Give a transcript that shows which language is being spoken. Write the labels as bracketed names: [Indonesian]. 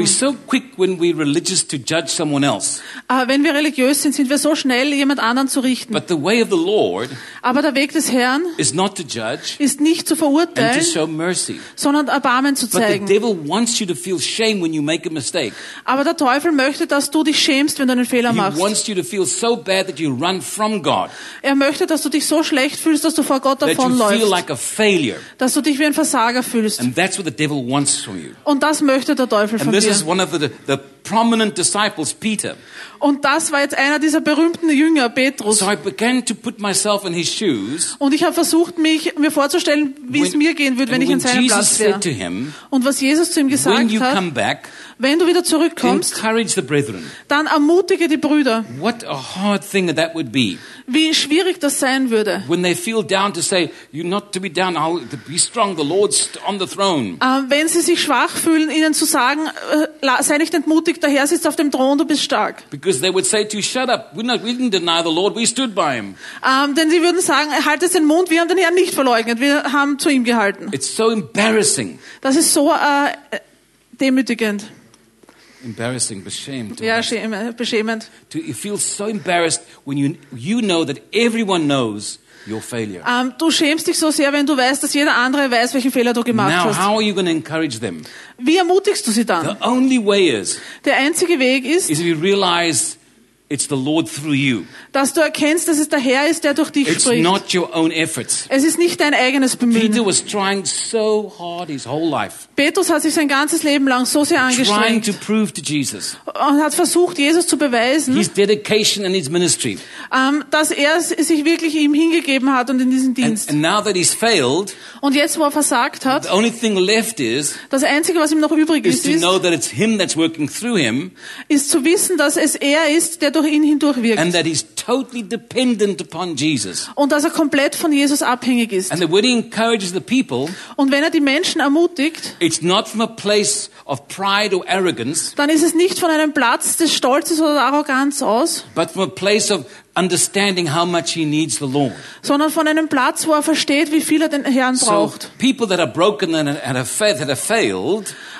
[English] We're so quick when we're religious to judge someone else. [German] Wenn wir religiös sind, sind wir so schnell, jemand anderen zu richten. [English] But the way of the Lord, [German] aber der Weg des Herrn, [English] is not to judge, [German] ist nicht zu verurteilen, [English] and to show mercy, [German] sondern Erbarmen zu zeigen. [English] But the devil wants you to feel shame when you make a mistake. [German] Aber der Teufel möchte, dass du dich schämst, wenn du einen Fehler machst. [English] He wants you to feel so bad that you run from God. [German] Er möchte, dass du dich so schlecht fühlst, dass du vor Gott davonläufst. [English] That you feel like a failure. [German] Dass du dich wie ein Versager fühlst. [English] And that's what the devil wants from you. [German] Und das möchte der Teufel von [English] and this [German] dir. [English] Is one of the prominent disciples, Peter. [German] Und das war jetzt einer dieser berühmten Jünger, Petrus. [English] So I began to put myself in his shoes. [German] Und ich habe versucht, mich mir vorzustellen, wie es mir gehen würde, wenn ich in seinem [English] Jesus [German] Platz wäre. [English] Said to him, [German] und was Jesus zu ihm gesagt [English] when you [German] hat, [English] come back, [German] wenn du wieder zurückkommst, [English] encourage the brethren. [German] Dann ermutige die Brüder. [English] What a hard thing that would be. [German] Wie schwierig das sein würde. [English] When they feel down to say, you're not to be down, I'll be strong, the Lord's on the throne. [German] Wenn sie sich schwach fühlen, ihnen zu sagen, sei nicht entmutigt, der Herr sitzt auf dem Thron, du bist stark. [English] Because they would say to you, shut up, we didn't deny the Lord, we stood by him. [German] Denn sie würden sagen, halt es den Mund, wir haben den Herrn nicht verleugnet, wir haben zu ihm gehalten. [English] It's so embarrassing. [German] Das ist so demütigend. [English] Embarrassing, [German] beschämend. Ja, beschämend. [English] To feel so embarrassed when you know that everyone knows your failure. [German] Du schämst dich so sehr, wenn du weißt, dass jeder andere weiß, welchen Fehler du gemacht [English] Now, [German] hast. [English] Now how are you going to encourage them? [German] Wie ermutigst du sie dann? [English] The only way is. [German] Der einzige Weg ist. [English] Is if you realize it's the Lord through you. [German] Dass du erkennst, dass es der Herr ist, der durch dich [English] it's [German] spricht. [English] It's not your own efforts. [German] Es ist nicht dein eigenes Bemühen. [English] Peter was trying so hard his whole life. [German] Petrus hat sich sein ganzes Leben lang so sehr angestrengt. [English] Trying to prove to Jesus. [German] Und hat versucht, Jesus zu beweisen. [English] His dedication and his ministry. [German] Dass er sich wirklich ihm hingegeben hat und in diesen Dienst. [English] And now that he's failed. [German] Und jetzt, wo er versagt hat. [English] The only thing left is. [German] Das Einzige, was ihm noch übrig ist. [English] Is to know that it's him that's working through him. [German] Ist zu wissen, dass es er ist, der durch ihn hindurch wirkt. [English] And that he's totally dependent upon Jesus. [German] Und dass er komplett von Jesus abhängig ist. [English] And the word he encourages the people. [German] Und wenn er die Menschen ermutigt. [English] It's not from a place of pride or arrogance. [German] Dann ist es nicht von einem Platz des Stolzes oder der Arroganz aus. [English] But from a place of understanding how much he needs the Lord. [German] Sondern von einem Platz, wo er versteht, wie viel er den Herrn braucht. [English] So people that are broken and have failed.